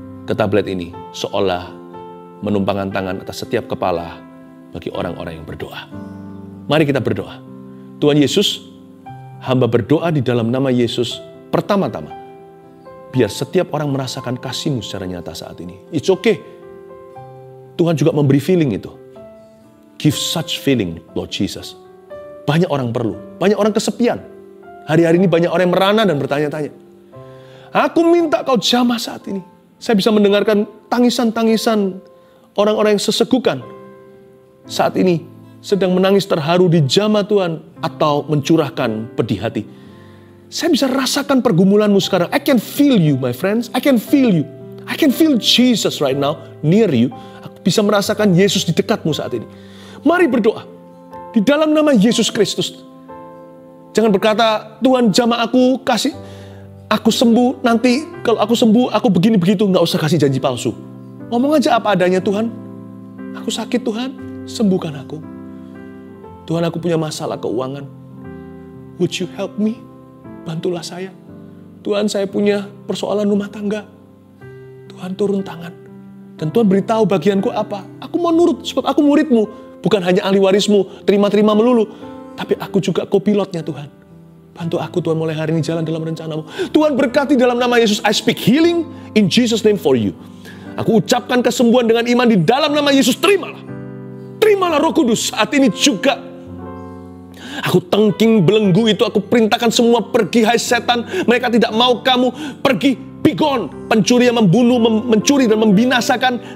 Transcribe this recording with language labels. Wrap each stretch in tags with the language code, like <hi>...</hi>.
<id>ke tablet ini seolah menumpangkan tangan atas setiap kepala bagi orang-orang yang berdoa. Mari kita berdoa. Tuhan Yesus, hamba berdoa di dalam nama Yesus pertama-tama. Biar setiap orang merasakan kasih-Mu secara nyata saat ini.</id> <en>It's okay.</en> <id>Tuhan juga memberi feeling itu.</id> <en>Give such feeling, Lord Jesus.</en> <id>Banyak orang perlu. Banyak orang kesepian. Hari-hari ini banyak orang yang merana dan bertanya-tanya. Aku minta kau jamah saat ini. Saya bisa mendengarkan tangisan-tangisan orang-orang yang sesegukan. Saat ini sedang menangis terharu di jamah Tuhan. Atau mencurahkan pedih hati. Saya bisa rasakan pergumulanmu sekarang.</id> <en>I can feel you, my friends. I can feel you. I can feel Jesus right now near you.</en> <id>Aku bisa merasakan Yesus di dekatmu saat ini. Mari berdoa. Di dalam nama Yesus Kristus. Jangan berkata, Tuhan jamah aku kasih. Aku sembuh nanti. Kalau aku sembuh, aku begini begitu. Nggak usah kasih janji palsu. Ngomong aja apa adanya Tuhan. Aku sakit Tuhan. Sembuhkan aku. Tuhan, aku punya masalah keuangan.</id> <en>Would you help me?</en> <id>Bantulah saya. Tuhan, saya punya persoalan rumah tangga. Tuhan, turun tangan. Dan Tuhan beritahu bagianku apa. Aku mau nurut sebab aku murid-Mu. Bukan hanya ahli waris-Mu, terima-terima melulu. Tapi aku juga kopilotnya Tuhan. Bantu aku Tuhan mulai hari ini jalan dalam rencana-Mu. Tuhan berkati dalam nama Yesus.</id> <en>I speak healing in Jesus' name for you.</en> <id>Aku ucapkan kesembuhan dengan iman di dalam nama Yesus. Terimalah. Terimalah Roh Kudus saat ini juga. Aku tengking belenggu itu, aku perintahkan semua pergi, hai setan. Mereka tidak mau kamu pergi,</id> <en>be gone.</en> <id>Pencuri yang membunuh, mencuri dan membinasakan.</id>